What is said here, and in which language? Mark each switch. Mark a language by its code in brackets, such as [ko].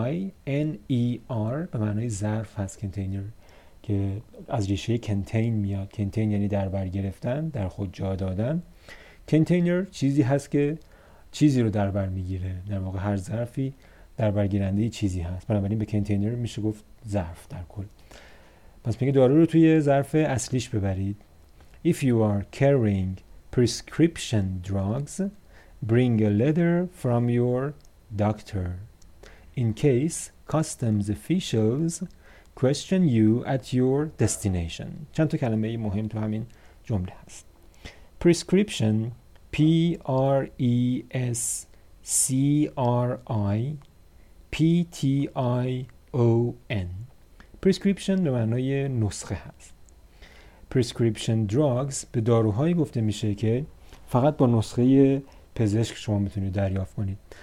[fa] container به معنای ظرف هست. کنتینر که از ریشه کنتین میاد، کنتین یعنی در بر گرفتن، در خود جا دادن. کنتینر چیزی هست که چیزی رو در بر میگیره، در واقع هر ظرفی در بر گیرنده چیزی هست، بنابراین به کنتینر میشه گفت ظرف در کل. پس میگه دارو رو توی ظرف اصلیش ببرید. [en] If you are carrying prescription drugs, bring a letter from your doctor. In case customs officials question you at your destination. [fa] چند تا کلمه مهم تو همین جمله هست. [en] Prescription, PrescriptionPrescription. [fa] Prescription به معنای نسخه هست. Prescription drugs به داروهایی گفته میشه که فقط با نسخه پزشک شما میتونید دریافت کنید.